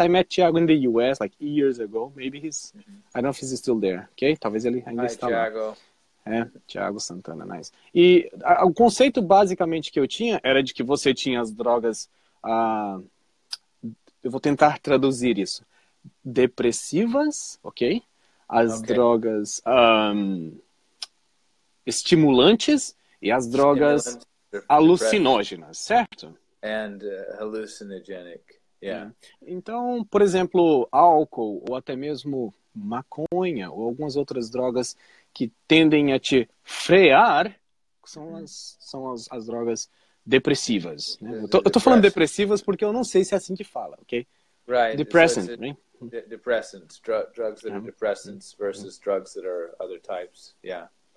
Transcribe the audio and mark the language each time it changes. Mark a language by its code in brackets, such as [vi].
[en] I met Thiago in the US like years ago. Maybe he's... Mm-hmm. I don't know if he's still there. [pt] Ok? Talvez ele ainda está lá. Thiago. [en] Thiago Santana, nice. [pt] E o conceito basicamente que eu tinha era de que você tinha as drogas... eu vou tentar traduzir isso. Depressivas, ok? As drogas estimulantes e as drogas alucinógenas, certo? [en] And hallucinogenic, yeah. [pt] Então, por exemplo, álcool ou até mesmo maconha ou algumas outras drogas que tendem a te frear são as drogas depressivas. Né? Eu tô falando depressivas porque eu não sei se é assim que fala, ok? [en] Right. [pt] Depressant, né? [en] Depressants, drugs that are depressants versus drugs that are other types. Yeah.